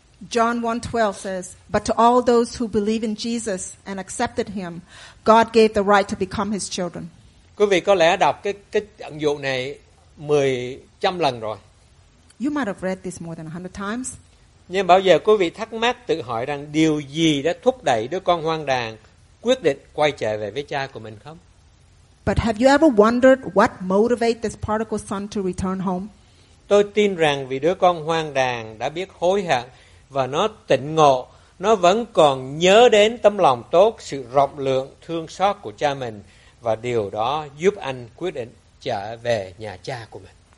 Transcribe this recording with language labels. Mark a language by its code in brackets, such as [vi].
[en] John 1:12 says, but to all those who believe in Jesus and accepted him, God gave the right to become his children. [vi] Quý vị có lẽ đọc cái ẩn dụ này 100 lần rồi. [en] You might have read this more than 100 times. [vi] Nhưng bao giờ quý vị thắc mắc tự hỏi rằng điều gì đã thúc đẩy đứa con hoang đàn quyết định quay trở về với cha của mình không? [en] But have you ever wondered what motivated this prodigal son to return home? [vi] Tôi tin rằng vì đứa con hoang đàn đã biết hối hận và nó tỉnh ngộ, nó vẫn còn nhớ đến tấm lòng tốt, sự rộng lượng, thương xót của cha mình và điều đó giúp anh quyết định trở về nhà cha của mình.